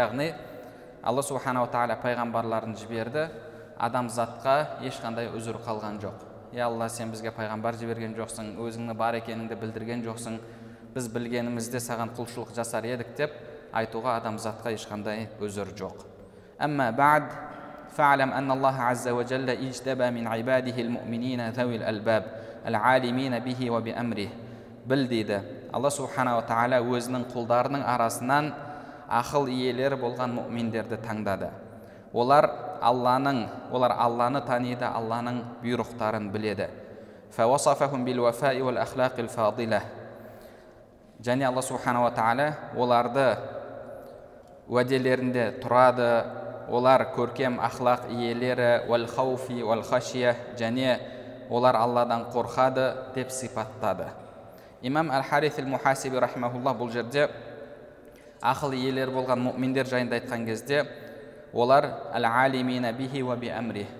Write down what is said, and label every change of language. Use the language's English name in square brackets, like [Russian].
[Kazakh] Яғни Алла субхана ва тааля пайғамбарларын жіберді, адамзатқа ешқандай үзір қалған жоқ. Е Алла, сен бізге пайғамбар жіберген жоқсың, өзіңді бар екеніңді білдірген жоқсың, біз білгенімізде саған құлшылық жасар едік деп айтуға адамзатқа ешқандай үзір жоқ. Әмма бәд [Arabic] فاعلم أن الله عز وجل اجتبى من عباده المؤمنين ذوي الألباب العالمين به وبأمره بلديدا الله سبحانه وتعالى [Kazakh] өзінің құлдарының арасынан ақыл иелері болған мؤمندерді таңдады. Олар Алланы таниды, Алланың бұйрықтарын біледі. [Arabic] فوصفهم بالوفاء والأخلاق الفاضلة. [Kazakh] Және Алла субхана ва тааля оларды уәделерінде тұрады. Олар көркем ахлақ иелері, [Arabic] уал хауфи уал хашия, [Kazakh] және олар Алладан қорқады деп сипаттады. Имам Әл-Харис Әл-Мухасиби рахимахуллах бұл жерде ахыл иелері болған мұминдер жайында айтқан кезде, олар [Arabic] аль-алимина бихи ва би амри.